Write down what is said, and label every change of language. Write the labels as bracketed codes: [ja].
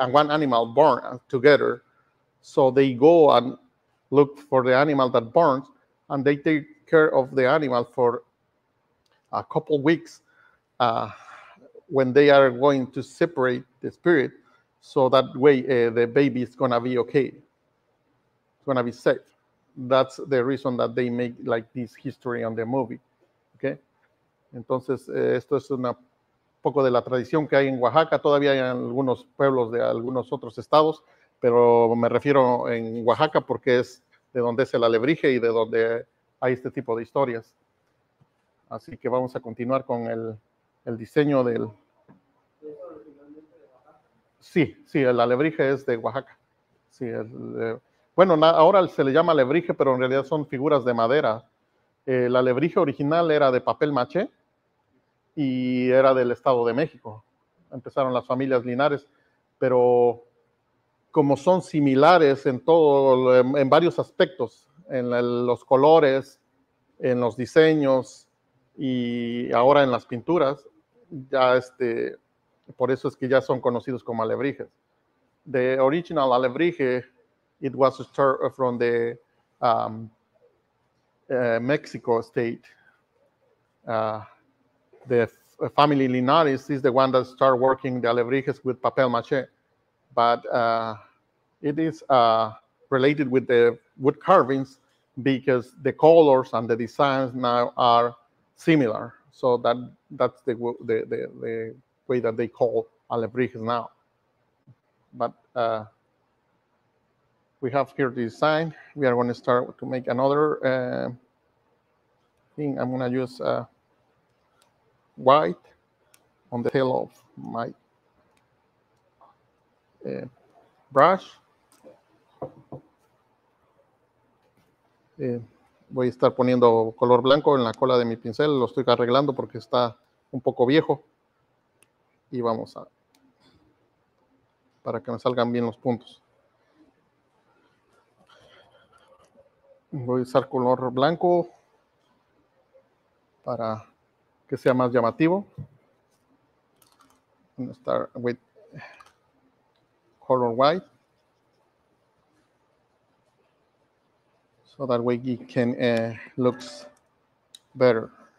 [en] animal born together, so they go and look for the animal that burns, and they take care of the animal for a couple weeks when they are going to separate the spirit, so that way the baby is gonna be okay, it's gonna be safe. That's the reason that they make like this history on the movie, okay? [es] Entonces, esto es un poco de la tradición que hay en Oaxaca, todavía hay algunos pueblos de algunos otros estados, pero me refiero en Oaxaca porque es de donde es el alebrije y de donde hay este tipo de historias. Así que vamos a continuar con el diseño del... Sí, sí, el alebrije es de Oaxaca. Sí, bueno, ahora se le llama alebrije, pero en realidad son figuras de madera. El alebrije original era de papel maché y era del Estado de México. Empezaron las familias Linares, pero como son similares en todo, en varios aspectos, en los colores, en los diseños y ahora en las pinturas, ya por eso es que ya son conocidos como alebrijes. [en] The original alebrije, it was from the Mexico state. The family Linares is the one that started working the alebrijes with papel maché, but it is related with the wood carvings because the colors and the designs now are similar. So that's the way that they call alebrijes now. But we have here the design. We are going to start to make another thing. I'm going to use white on the tail of my brush. [es] Voy a estar poniendo color blanco en la cola de mi pincel, lo estoy arreglando porque está un poco viejo y vamos a para que me salgan bien los puntos. Voy a usar color blanco para que sea más llamativo. Voy a estar [en] with color white, so that way it can looks better.